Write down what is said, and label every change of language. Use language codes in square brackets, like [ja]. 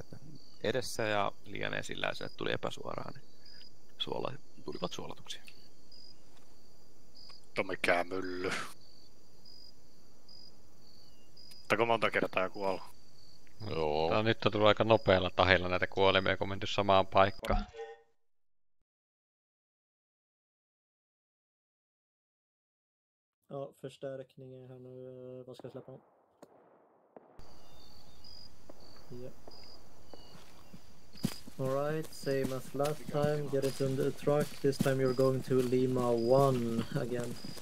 [fi] Että edessä ja liian esillä ja sinne tuli epäsuoraan, niin tulivat suolatuksi. Tomi Kämylly. Ottako monta kertaa kuollut? Joo. Tämä nyt on tullut aika nopealla tahilla näitä kuolemia, kun menty samaan paikkaan. [sv] Ja, förstärkningen här nu, vad ska jag släppa om? [en] Yeah. All right, same as last time, get it under the truck. This time you're going to Lima 1 again.